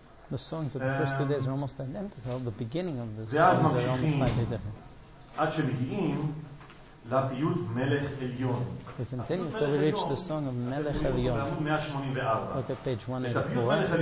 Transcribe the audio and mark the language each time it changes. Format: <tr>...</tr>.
<en>The songs of the first 2 days are almost identical. The beginning of the songs are almost slightly different.</en> <he>עד שמגיעים לפיוט מלך עליון.</he> <en>We continue until we reach the song of מלך עליון. Look at page 184.</en>